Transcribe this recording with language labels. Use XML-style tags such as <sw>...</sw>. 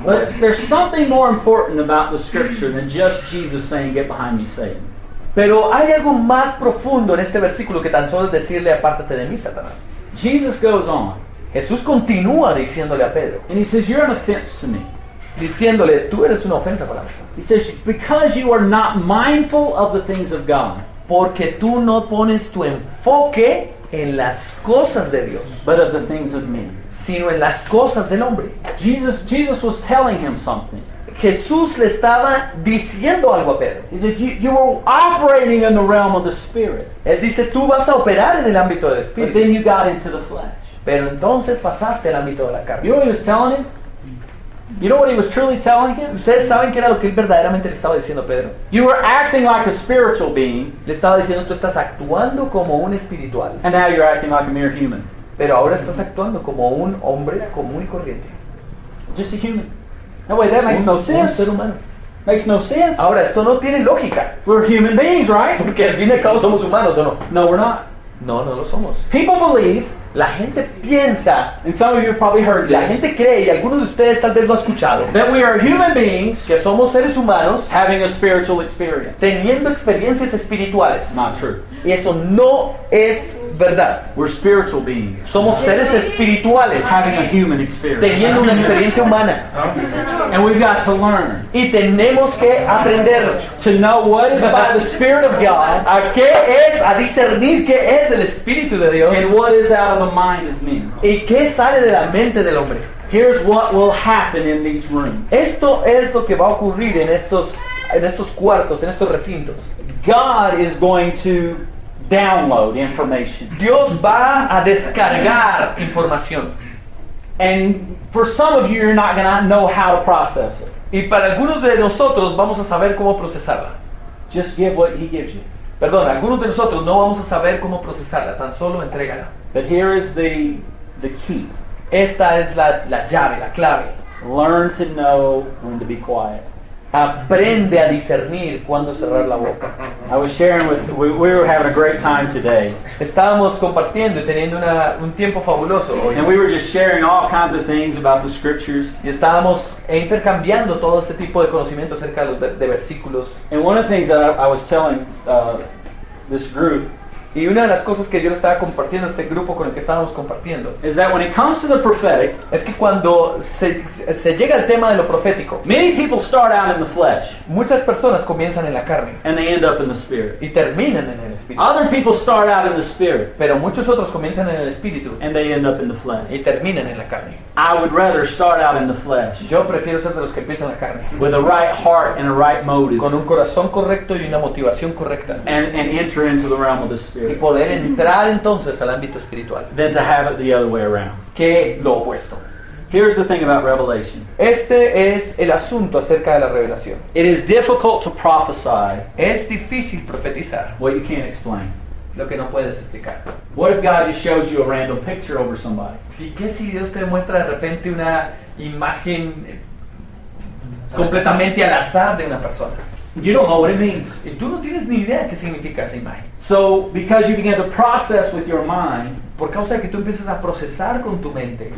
<en>But there's something more important about the scripture than just Jesus saying, "Get behind me, Satan."</en> <es>Pero hay algo más profundo en este versículo que tan solo decirle, "Apártate de mí, Satanás."</es> <en>Jesus goes on.</en> <es>Jesús continúa diciéndole a Pedro.</es> <en>And he says, "You're an offense to me."</en> <es>Diciéndole, tú eres una ofensa para mí.</es> <en>He says, because you are not mindful of the things of God.</en> <es>Porque tú no pones tu enfoque en las cosas de Dios.</es> <en>But of the things of men.</en> <es>Sino en las cosas del hombre.</es> <en>Jesus was telling him something.</en> <es>Jesús le estaba diciendo algo a Pedro.</es> <en>He said, you are operating in the realm of the spirit.</en> <es>Él dice, tú vas a operar en el ámbito del espíritu.</es> <en>But then you got into the flesh.</en> <es>Pero entonces pasaste al ámbito de la carne.</es> <en>You know what he was telling him? You know what he was truly telling him?</en> <es>¿Ustedes saben qué era lo que él verdaderamente le estaba diciendo a Pedro?</es> <en>You were acting like a spiritual being.</en> <es>Le estaba diciendo, tú estás actuando como un espiritual.</es> <en>And now you're acting like a mere human.</en> <es>Pero ahora estás actuando como un hombre común y corriente.</es> <en>Just a human. No way, that makes no sense.</en> <es>Un ser humano.</es> <en>Makes no sense.</en> <es>Ahora, esto no tiene lógica.</es> <en>We're human beings, right?</en> <es>Porque al fin y al cabo somos humanos, ¿o no?</es> <en>No, we're not.</en> <es>No, no lo somos.</es> <en>People believe.</en> <es>La gente piensa,</es> <en>and some of you have probably heard this.</en> <es>La gente cree, y algunos de ustedes tal vez lo ha escuchado,</es> <en>that we are human beings,</en> <es>que somos seres humanos,</es> <en>having a spiritual experience,</en> <es>teniendo experiencias espirituales.</es> <en>Not true.</en> <es>Y eso no es verdad.</es> <en>We're spiritual beings.</en> <es>Somos seres espirituales.</es> <en>Having a human experience.</en> <es>Teniendo una experiencia humana.</es> <en>And we've got to learn.</en> <es>Y tenemos que aprender.</es> <en>To know what is by the Spirit of God.</en> <es>A qué es, a discernir qué es el Espíritu de Dios.</es> <en>And what is out of the mind of men.</en> <es>Y qué sale de la mente del hombre.</es> <en>Here's what will happen in these rooms.</en> <es>Esto es lo que va a ocurrir en estos cuartos, en estos recintos.</es> <en>God is going to download information.</en> <es>Dios va a descargar información.</es> <en>And for some of you, you're not going to know how to process it.</en> <es>Y para algunos de nosotros vamos a saber cómo procesarla.</es> <en>Just give what he gives you.</en> <es>Perdón, algunos de nosotros no vamos a saber cómo procesarla, tan solo entrégala.</es> <en>But here is the key.</en> <es>Esta es la llave, la clave.</es> <en>Learn to know when to be quiet.</en> <es>Aprende a discernir cuándo cerrar la boca.</es> <en>I was sharing with we were having a great time today.</en> <es>Estábamos compartiendo y teniendo un tiempo fabuloso.</es> <en>And we were just sharing all kinds of things about the scriptures.</en> <es>Y estábamos intercambiando todo ese tipo de conocimiento acerca de versículos.</es> <en>And one of the things that I was telling this group.</en> <es>Y una de las cosas que yo le estaba compartiendo a este grupo con el que estábamos compartiendo</es> <en>is that when it comes to the prophetic,</en> <es>es que cuando se llega al tema de lo profético,</es> <en>many people start out in the flesh,</en> <es>muchas personas comienzan en la carne,</es> <en>and they end up in the spirit,</en> <es>y terminan en el espíritu.</es> <en>Other people start out in the spirit,</en> <es>pero muchos otros comienzan en el espíritu,</es> <en>and they end up in the flesh,</en> <es>y terminan en la carne.</es> <en>I would rather start out in the flesh.</en> <es>Yo prefiero ser de los que empiezan la carne.</es> <en>With a right heart and a right motive.</en> <es>Con un corazón correcto y una motivación correcta.</es> <en>And enter into the realm of the spirit.</en> <es>Y poder entrar entonces al ámbito espiritual.</es> <en>Than to have it the other way around.</en> <es>Que lo opuesto.</es> <en>Here's the thing about revelation.</en> <es>Este es el asunto acerca de la revelación.</es> <en>It is difficult to prophesy.</en> <es>Es difícil profetizar.</es> <en>What you can't explain.</en> <es>Lo que no puedes explicar.</es> <en>What if God just shows you a random picture over somebody?</en> <es>¿Y qué si Dios te muestra de repente una imagen completamente al azar de una persona?</es> <en>You don't know what it means.</en> <es>Y tú no tienes ni idea qué significa esa imagen.</es> <en>So, because you begin to process with your mind,</en> <es>por causa de que tú empiezas a procesar con tu mente,</es>